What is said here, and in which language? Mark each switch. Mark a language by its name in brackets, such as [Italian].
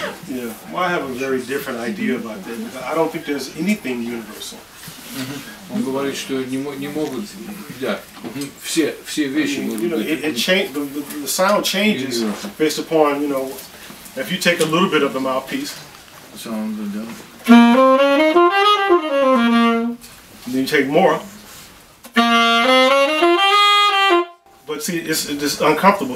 [English] Yeah, well, I have a very different idea about that. I don't think there's anything universal. [Russian] Он говорит, что не могут, да, все вещи. [English] You know, it changes. The sound changes based upon, you know, if you take a little bit of the mouthpiece. Sounds good. Then you take more. But see, it's just uncomfortable.